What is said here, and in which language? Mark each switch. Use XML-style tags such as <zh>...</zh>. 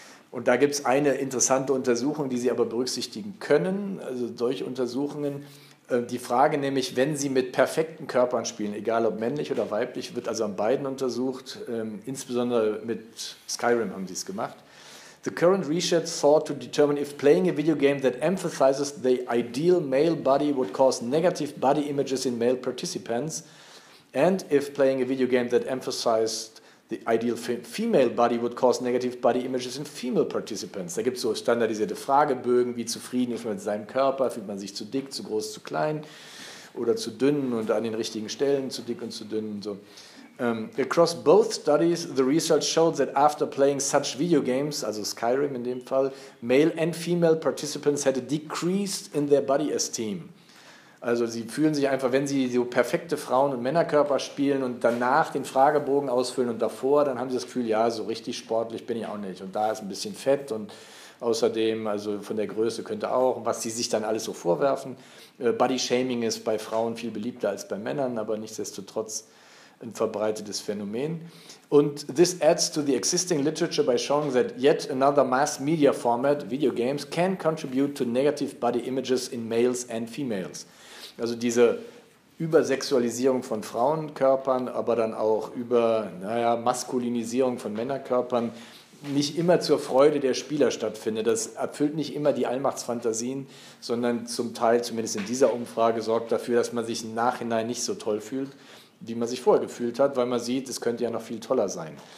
<de>Und da gibt es eine interessante Untersuchung, die sie aber berücksichtigen können, also solche Untersuchungen. Die Frage nämlich, wenn Sie mit perfekten Körpern spielen, egal ob männlich oder weiblich, wird also an beiden untersucht, insbesondere mit Skyrim haben Sie es gemacht.</de> <en>The current research sought to determine if playing a video game that emphasizes the ideal male body would cause negative body images in male participants and if playing a video game that emphasized the ideal female body would cause negative body images in female participants.</en> <de>Da gibt es so standardisierte Fragebögen, wie zufrieden ist man mit seinem Körper, fühlt man sich zu dick, zu groß, zu klein oder zu dünn und an den richtigen Stellen zu dick und zu dünn und so.</de> <en>Across both studies, the research showed that after playing such video games,</en> <de>also Skyrim in dem Fall,</de> <en>male and female participants had a decrease in their body esteem.</en> <de>Also sie fühlen sich einfach, wenn sie so perfekte Frauen- und Männerkörper spielen und danach den Fragebogen ausfüllen und davor, dann haben sie das Gefühl, ja, so richtig sportlich bin ich auch nicht. Und da ist ein bisschen fett und außerdem, also von der Größe könnte auch, was sie sich dann alles so vorwerfen. Body-Shaming ist bei Frauen viel beliebter als bei Männern, aber nichtsdestotrotz ein verbreitetes Phänomen.</de> <en>Und this adds to the existing literature by showing that yet another mass media format, video games, can contribute to negative body images in males and females.</en> <de>Also diese Übersexualisierung von Frauenkörpern, aber dann auch über, naja, Maskulinisierung von Männerkörpern, nicht immer zur Freude der Spieler stattfindet. Das erfüllt nicht immer die Allmachtsfantasien, sondern zum Teil, zumindest in dieser Umfrage, sorgt dafür, dass man sich im Nachhinein nicht so toll fühlt, wie man sich vorher gefühlt hat, weil man sieht, es könnte ja noch viel toller sein.</de>